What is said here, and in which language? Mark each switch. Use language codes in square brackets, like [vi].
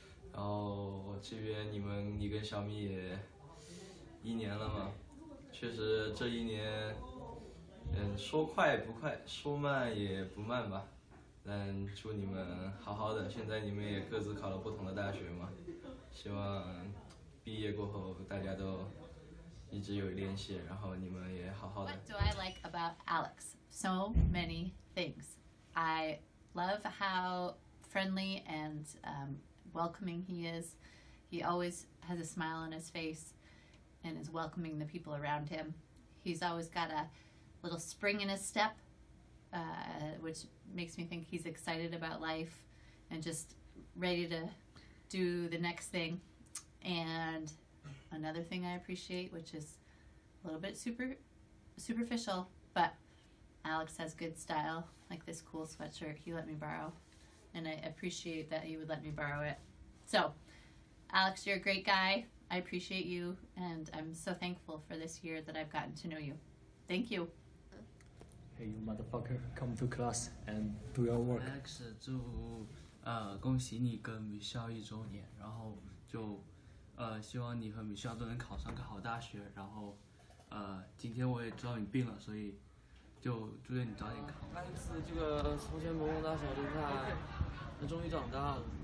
[zh] 然后这边你跟小米也一年了嘛，确实这一年，说快不快，说慢也不慢吧。但祝你们好好的，现在你们也各自考了不同的大学嘛，希望毕业过后大家都一直有联系，然后你们也好好的。 [en] What do I like about Alex? So many things. I love how friendly and welcoming he is. He always has a smile on his face and is welcoming the people around him. He's always got a little spring in his step, which makes me think he's excited about life and just ready to do the next thing. And another thing I appreciate, which is a little bit superficial, but Alex has good style, like this cool sweatshirt he let me borrow, and I appreciate that he would let me borrow it. So, Alex, you're a great guy. I appreciate you, and I'm so thankful for this year that I've gotten to know you. Thank you. Hey, you motherfucker, come to class and do your work. [zh] Alex, 祝恭喜你跟米肖一周年，然后就希望你和米肖都能考上个好大学，然后今天我也知道你病了，所以就祝愿你早点考。 Alex, 这个从前懵懵大小的他，他终于长大了。